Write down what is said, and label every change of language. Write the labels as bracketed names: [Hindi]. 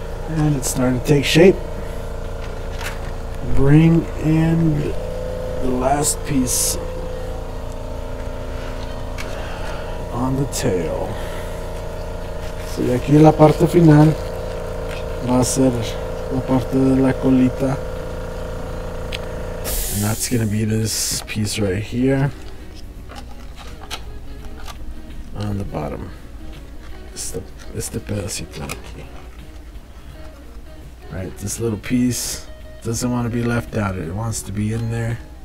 [English] And it's starting to take shape. Bring in the last piece on the tail. [Spanish] Y aquí la parte final va a ser la parte de la colita. [English] And that's going to be this piece right here. On the bottom. [Spanish] Este pedacito aquí. [English] Right, this little piece doesn't want to be left out. It wants to be in there.